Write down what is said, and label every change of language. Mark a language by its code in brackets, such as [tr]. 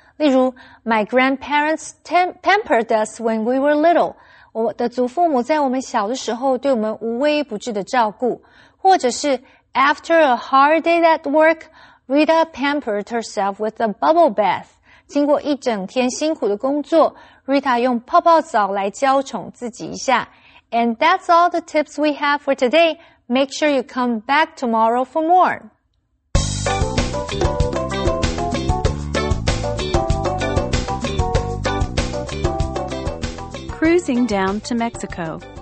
[zh] 例如 [en] ,my grandparents pampered us when we were little. [zh] 我的祖父母在我们小的时候对我们无微不至的照顾。或者是 [en] ,after a hard day at work, Rita pampered herself with a bubble bath. [zh] 经过一整天辛苦的工作，Rita 用泡泡澡来娇宠自己一下。 [en] And that's all the tips we have for today. Make sure you come back tomorrow for more. Cruising down to Mexico.